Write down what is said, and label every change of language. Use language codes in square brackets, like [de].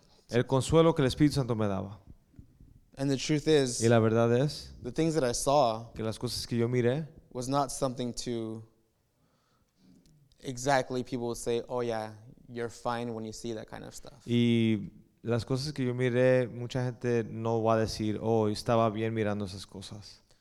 [es] El consuelo que el Espíritu Santo me daba. [en] And the truth is, [es] y la verdad es, [en] the things that I saw, [es] que las cosas que yo miré, [en] was not something to exactly people would say, oh yeah, you're fine when you see that kind of stuff. [es] Y las cosas que yo miré, mucha gente no va a decir, oh, estaba bien mirando esas cosas.